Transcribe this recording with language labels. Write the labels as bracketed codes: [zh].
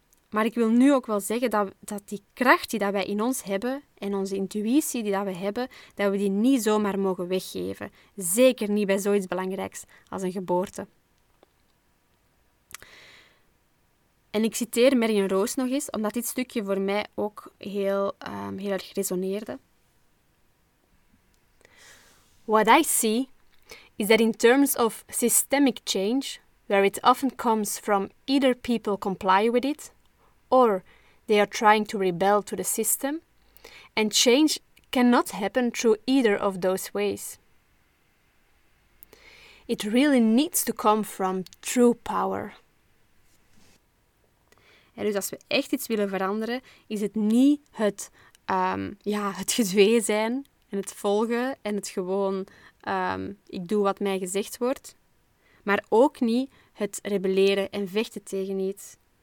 [nl] Maar ik wil nu ook wel zeggen dat die kracht die dat wij in ons hebben en onze intuïtie die dat we hebben, dat we die niet zomaar mogen weggeven. Zeker niet bij zoiets belangrijks als een geboorte. En ik citeer Marion Roos nog eens, omdat dit stukje voor mij ook heel erg resoneerde. [en] What I see is that in terms of systemic change, where it often comes from either people comply with it, or they are trying to rebel to the system, and change cannot happen through either of those ways. It really needs to come from true power. [nl] Ja, dus als we echt iets willen veranderen, is het niet het, het gedwee zijn en het volgen en het gewoon ik doe wat mij gezegd wordt. Maar ook niet het rebelleren en vechten tegen iets.